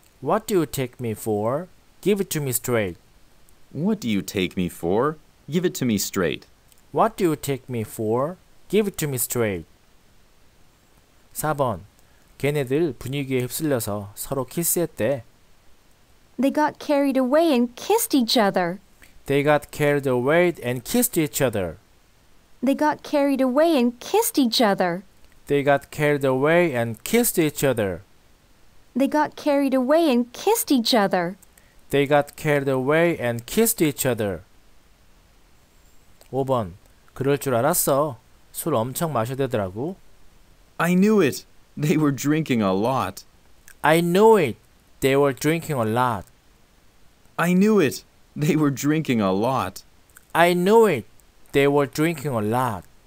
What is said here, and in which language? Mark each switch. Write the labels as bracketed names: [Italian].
[English] What do you take me for? Give it to me straight. What do you take me for? Give it to me straight. What do you take me for? Give it to me straight. [Korean] 4번. 걔네들 분위기에 휩쓸려서 서로 키스했대. [English] They got carried away and kissed each other. They got carried away and kissed each other. They got carried away and kissed each other. They got carried away and kissed each other. They got carried away and kissed each other. They got carried away and kissed each other. [Korean] 5번. 그럴 줄 알았어. 술 엄청 마셔야 되더라고. [English] I knew it. They were drinking a lot. I knew it. They were drinking a lot. I knew it. They were drinking a lot. I knew it. They were drinking a lot.